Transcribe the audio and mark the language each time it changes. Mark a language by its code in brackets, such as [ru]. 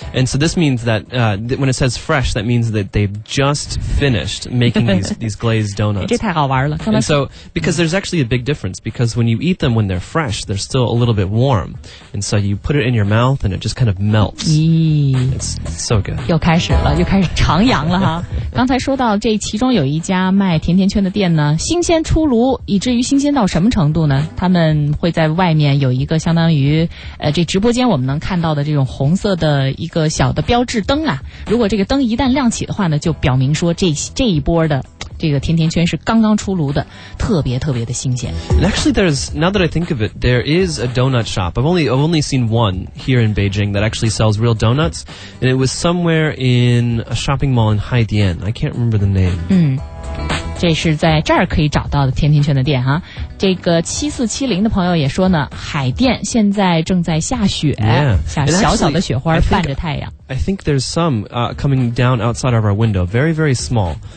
[en] And so this means that when it says fresh, that means that they've just finished making these glazed donuts. [zh] 这太好玩了。 [en] And so, because there's actually a big difference, because when you eat them when they're fresh, they're still a little bit warm. And so you put it in your mouth and it just kind of melts. It's so good. [zh] 又开始了，又开始徜徉了哈。刚才说到这其中有一家卖甜甜圈的店呢，新鲜出炉，以至于新鲜到什么程度呢？他们会在外面有一个相当于这直播间我们能看到的这种红色的一个小的标志灯啊，如果这个灯一旦亮起的话呢，就表明说这一波的这个甜甜圈是刚刚出炉的，特别特别的新鲜。 [en] And actually, there's, now that I think of it, there is a donut shop. I've only seen one here in Beijing that actually sells real donuts, and it was somewhere in a shopping mall in Haidian. I can't remember the name. [zh] 这是在这儿可以找到的甜甜圈的店哈。这个7470的朋友也说呢，海淀现在正在下雪， [en] yeah. [zh] 小小的雪花 [en] actually, [zh] 伴着太阳。 [en] I think there's some coming down outside of our window, very, very small.